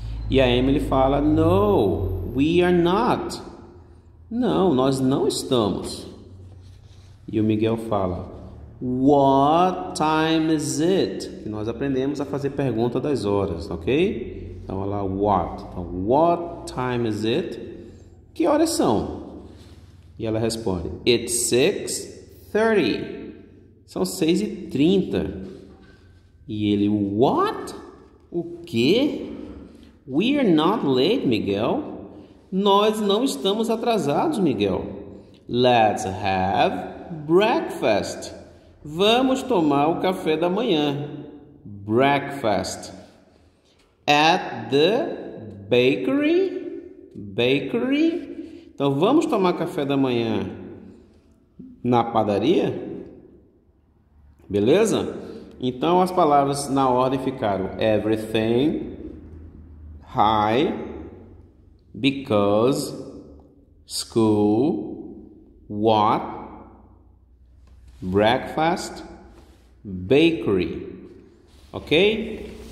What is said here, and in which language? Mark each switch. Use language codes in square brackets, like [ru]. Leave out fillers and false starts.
[pt] E a Emily fala, [en] no, we are not. [pt] Não, nós não estamos. E o Miguel fala, [en] what time is it? [pt] Que nós aprendemos a fazer pergunta das horas, ok? Então, olha lá, what? Então, [en] what time is it? [pt] Que horas são? E ela responde, [en] it's 6:30. [pt] São 6:30. E ele, [en] what? [pt] O quê? [en] We are not late, Miguel. [pt] Nós não estamos atrasados, Miguel. [en] Let's have breakfast. [pt] Vamos tomar o café da manhã. Breakfast. [en] At the bakery. Bakery. [pt] Então, vamos tomar café da manhã na padaria? Beleza? Então, as palavras na ordem ficaram everything, hi, because, school, what, breakfast, bakery, ok?